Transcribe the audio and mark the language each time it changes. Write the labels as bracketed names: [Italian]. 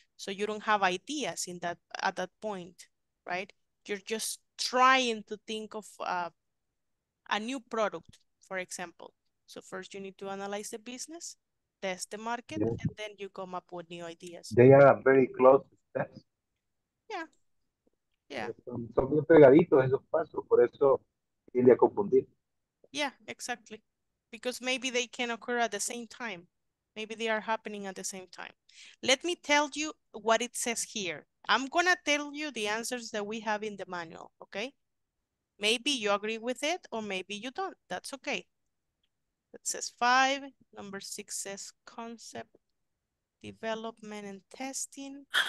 [English] So you don't have ideas in that at that point, right? You're just trying to think of a new product, for example. So first you need to analyze the business, test the market, yes, and then you come up with new ideas. They are a very close step. Yeah. Yeah. [Spanish] Son bien pegaditos esos pasos, por eso tiende a confundir. [English] Yeah, exactly. Because maybe they can occur at the same time. Maybe they are happening at the same time. Let me tell you what it says here. I'm going to tell you the answers that we have in the manual, okay? Maybe you agree with it or maybe you don't. That's okay. It says 5. Number 6 says concept, development, and testing.